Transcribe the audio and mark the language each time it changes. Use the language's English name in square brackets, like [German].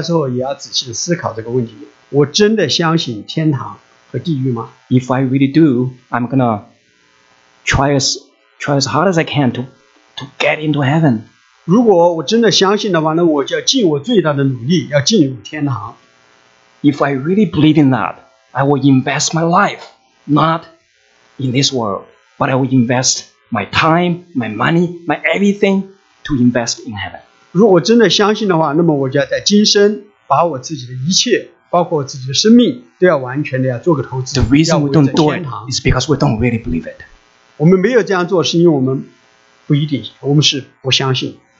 [Chinese] 我希望你们不仅这个时候,回家之后也要仔细地思考这个问题。我真的相信天堂和地狱吗? [English] If I really do, I'm going to try as hard as I can to get into heaven. [Chinese] 如果我真的相信的话, 那我就要尽我最大的努力, 要进入天堂。 [English] If I really believe in that, I will invest my life, not in this world, but I will invest my time, my money, my everything to invest in heaven. [Chinese] 如果真的相信的话, 那么我就要在今生把我自己的一切, 包括我自己的生命, 都要完全的要做个投资, [English] the reason we don't do it is because we don't really believe it. [Chinese] 我们没有这样做, 是因为我们不一定, 我们是不相信。